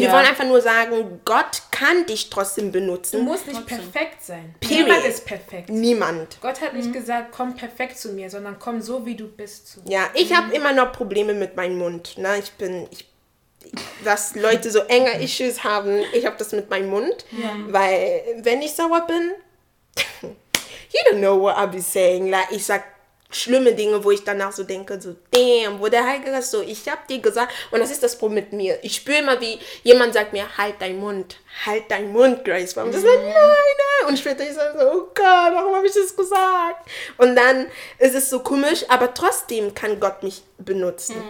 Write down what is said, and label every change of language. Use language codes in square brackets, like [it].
[de] Ja. Die wollen einfach nur sagen, Gott kann dich trotzdem benutzen. Du musst nicht perfekt sein. [en] Period. [de] Niemand ist perfekt. Niemand. Gott hat nicht gesagt, komm perfekt zu mir, sondern komm so, wie du bist zu mir. Ja, ich habe immer noch Probleme mit meinem Mund. Na, dass Leute so enge Issues haben, ich habe das mit meinem Mund. Ja. Weil, wenn ich sauer bin, [en] you don't know what I'll be saying. [de] Like, ich sag schlimme Dinge, wo ich danach so denke, so, damn, wo der Heilige Geist so, ich hab dir gesagt, und das ist das Problem mit mir. Ich spüre immer, wie jemand sagt mir, halt dein Mund, Grace. Und ich sage, nein, nein. Und später ich sage so, oh Gott, warum habe ich das gesagt? Und dann ist es so komisch, aber trotzdem kann Gott mich benutzen. Mhm.